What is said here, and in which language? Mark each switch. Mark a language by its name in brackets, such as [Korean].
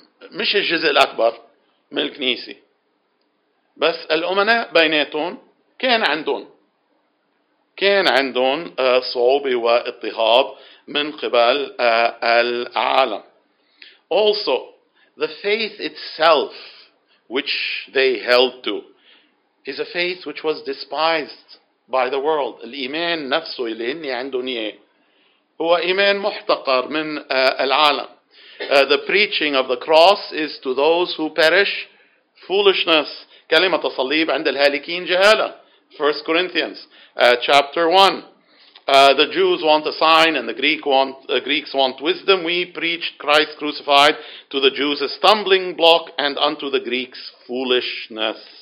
[Arabic] مش الجزء الاكبر من الكنيسة بس الأمناء بيناتهم كان عندهم صعوبة واضطهاد من قبل العالم. [English] Also, the faith itself which they held to is a faith which was despised by the world. [Arabic] الإيمان نفسه اللي هني عندهم إياه هو إيمان محتقر من العالم. [English] The preaching of the cross is to those who perish foolishness. [Arabic] كلمة الصليب عند الهالكين جهالة. [English] 1 Corinthians chapter 1. The Jews want a sign and the Greeks want wisdom. We preached Christ crucified to the Jews a stumbling block and unto the Greeks foolishness.